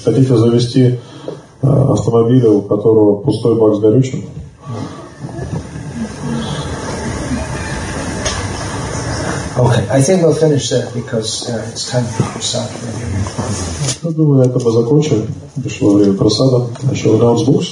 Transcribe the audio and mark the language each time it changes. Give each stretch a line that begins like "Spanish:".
Russian: Хотите завести автомобиль, у которого пустой бак с горючим?
English: Okay, I think we'll finish there because it's time for prasad.
Russian: Я думаю, это мы закончим. Пришло время просада. Еще у нас